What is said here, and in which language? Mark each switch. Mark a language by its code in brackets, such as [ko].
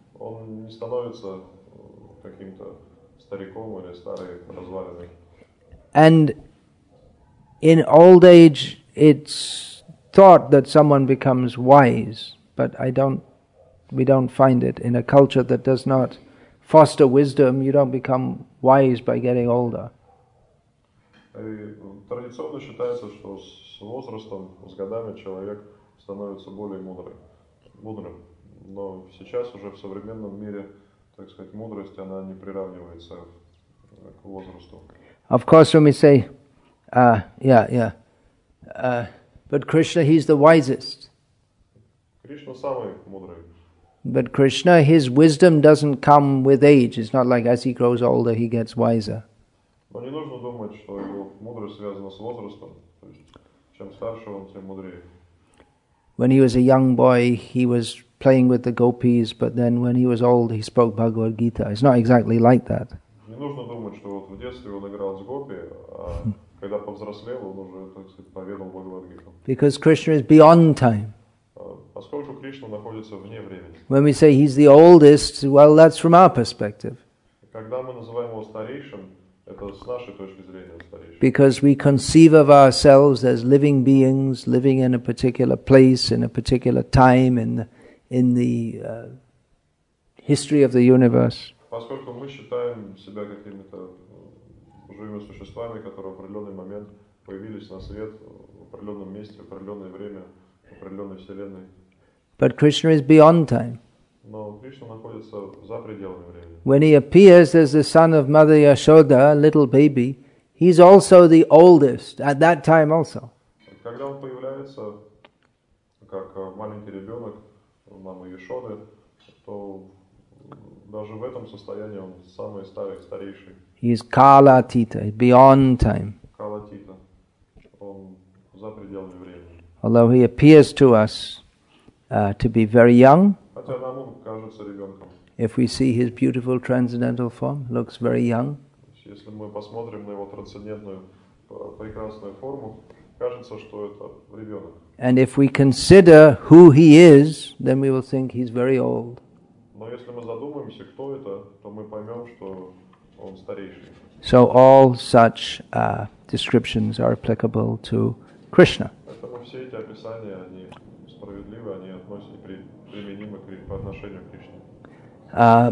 [ru] Он не становится каким-то стариком или старой развалиной. [en] And in old age it's thought that someone becomes wise, but we don't find it. In a culture that does not foster wisdom, you don't become wise by getting older. [ru] И традиционно считается, что с возрастом, с годами человек становится более мудрым. Но сейчас уже в современном мире, так сказать, мудрость, она не приравнивается к возрасту. [en] Of course, when we say, but Krishna, he's the wisest. [ru] Кришна самый мудрый. [en] But Krishna, his wisdom doesn't come with age. It's not like as he grows older, he gets wiser. [ru] Но не нужно думать, что его мудрость связана с возрастом. То есть, чем старше он, тем мудрее. [en] When he was a young boy, he was playing with the gopis, but then when he was old, he spoke Bhagavad Gita. It's not exactly like that. [ru] Не нужно думать, что вот в детстве он играл с гопи, а когда повзрослел, он уже, так сказать, поведал Бхагавад Гиту. [en] Because Krishna is beyond time. [ru] Поскольку Кришна находится вне времени. [en] When we say he's the oldest, well, that's from our perspective. [ru] Когда мы называем его старейшим, это с нашей точки зрения старейшим. [en] Because we conceive of ourselves as living beings, living in a particular place, in a particular time, in the history of the universe. [ru] Поскольку мы считаем себя какими-то живыми существами, которые в определенный момент появились на свет в определенном месте, в определенное время, в определенной вселенной. [en] But Krishna is beyond time. [ru] Но Кришна находится за пределами времени. [en] When he appears as the son of Mother Yashoda, a little baby, he's also the oldest at that time also. [ru] Когда он появляется как маленький ребенок, мама Яшоды, то даже в этом состоянии он самый старый, старейший. [en] He is Kala Tita, beyond time. [sa] Kala Tita. [ru] Он за пределами времени. [en] Although he appears to us to be very young, [ru] хотя нам он кажется ребенком. [en] If we see his beautiful transcendental form, looks very young. [ru] Если мы посмотрим на его трансцендентную прекрасную форму, кажется, что это ребенок. [en] And if we consider who he is, then we will think he's very old. [ru] Но если мы задумаемся, кто это, то мы поймем, что он старейший. [en] So all such descriptions are applicable to Krishna. [ru] Поэтому все эти описания, они справедливы, они применимы по отношению к Кришне.